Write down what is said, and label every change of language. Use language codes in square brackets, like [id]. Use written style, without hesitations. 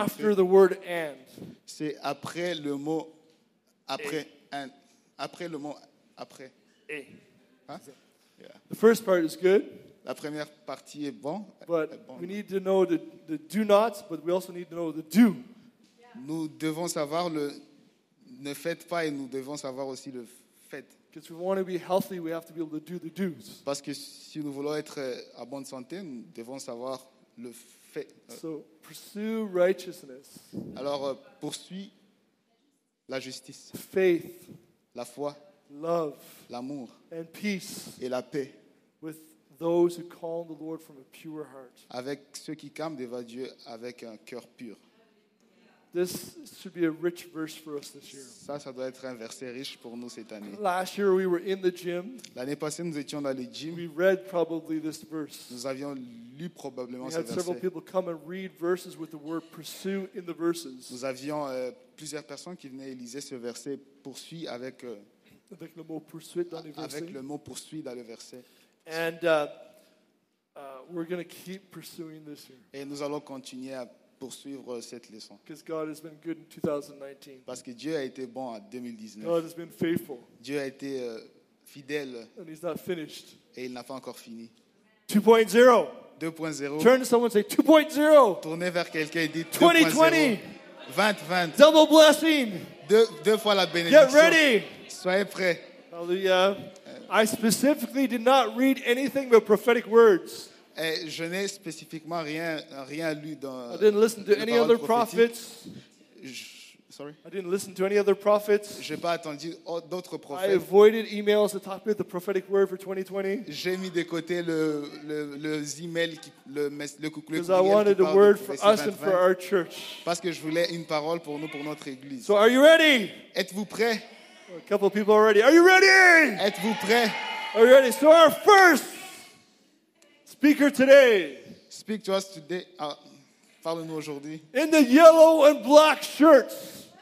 [en] after the word and. [fr] C'est après le mot après. And. Après le mot après. Et. Hein? [en] The first part is good. [fr] La première partie est bon. [en] But we need to know the do nots, but we also need to know the do. [fr] Nous devons savoir le ne faites pas et nous devons savoir aussi le faites. [en] Because we want to be healthy, we have to be able to do the do's. [fr] Parce que si nous voulons être en bonne santé, nous devons savoir le fait. [en] So pursue righteousness. [fr] Alors poursuis la justice. [en] Faith. [fr] La foi. [en] Love. [fr] L'amour. [en] And peace. [fr] Et la paix. [en] With those who call the Lord from a pure heart. [fr] Avec ceux qui campent devant Dieu avec un cœur pur. [en] This should be a rich verse for us this year. [fr] Ça doit être un verset riche pour nous cette année. [en] Last year we were in the gym. [fr] L'année passée nous étions dans le gym. [en] We read probably this verse. [fr] Nous avions lu probablement [en] we [fr] ce verset. [en] We had several people come and read verses with the word pursue in the verses. [fr] Nous avions plusieurs personnes qui venaient lire ce verset poursuit avec avec le mot poursuit dans le verset. Avec le mot poursuit dans le verset. [en] And we're going to keep pursuing this year. [fr] Et nous allons continuer à poursuivre cette leçon. [en] Because God has been good in 2019. [fr] Parce que Dieu a été bon en 2019. [en] God has been faithful. [fr] Dieu a été fidèle. [en] And he's not finished. [fr] Et il n'a pas encore fini. [en] 2.0. Turn to someone and say 2.0. [fr] Tournez vers quelqu'un et dites 2020. 2020. [en] Double blessing. [fr] Deux fois la bénédiction. [en] Get ready. [fr] Soyez prêts. Hallelujah. [en] I specifically did not read anything but prophetic words. [fr] Et je n'ai spécifiquement rien lu dans [en] I didn't listen to any other prophets. Sorry. I didn't listen to any other prophets. [fr] J'ai pas attendu d'autres prophètes. [en] I avoided emails to talk about the prophetic word for 2020. [fr] J'ai mis de côté le email [en] because I wanted a word for us and for our church. [fr] Parce que je voulais une parole pour nous pour notre église. [en] So are you ready? [fr] Êtes-vous prêt? [en] A couple of people already. Are you ready? [fr] Êtes-vous prêt? [en] Are you ready? So our first speaker today. Speak to us today. [fr] Parle-nous aujourd'hui. [en] In the yellow and black shirts.